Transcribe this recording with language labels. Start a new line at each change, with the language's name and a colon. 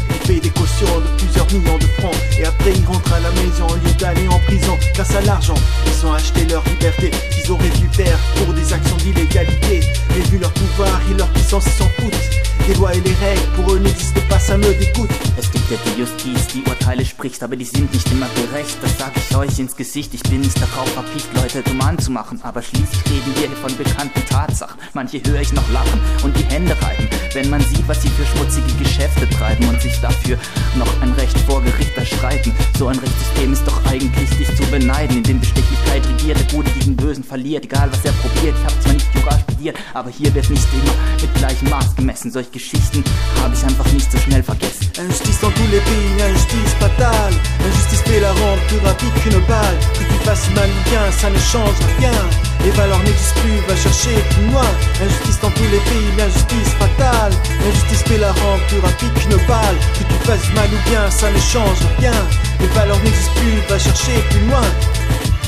French: Ils payent des cautions de plusieurs millions de francs, et après ils rentrent à la maison au lieu d'aller en prison. Grâce à l'argent, ils ont acheté leur liberté qu'ils auraient dû perdre pour des actions d'illégalité. Mais vu leur pouvoir et leur puissance, ils s'en foutent. Les lois et les règles pour eux n'existent pas, ça me dégoûte.
German: Es gibt ja die Justiz, die Urteile spricht, aber die sind nicht immer gerecht. Das sag ich euch ins Gesicht, ich bin nicht darauf verpicht, Leute dumm anzumachen. Aber schließlich reden wir hier von bekannten Tatsachen. Manche höre ich noch lachen und die Hände reiben, wenn man sieht, was sie für schmutzige Geschäfte treiben und sich dafür noch ein Recht vor Gericht erschreiten. So ein Rechtssystem ist doch eigentlich nicht zu beneiden, in dem Bestechlichkeit regiert, der Gute gegen Bösen verliert, egal was er probiert. Ich hab zwar nicht Jura studiert, aber hier wird nicht immer mit gleichem Maß gemessen. Solche Geschichten habe ich einfach nicht so schnell vergessen.
French: Injustice dans tous les pays, injustice fatale, injustice fait la rente plus rapide qu'une balle. Que tu fasses mal ou bien, ça ne change rien, les valeurs n'existent plus, va chercher plus loin. Injustice dans tous les pays, injustice fatale, injustice fait la rente plus rapide qu'une balle. Que tu fasses mal ou bien, ça ne change rien, les valeurs n'existent plus, va chercher plus loin.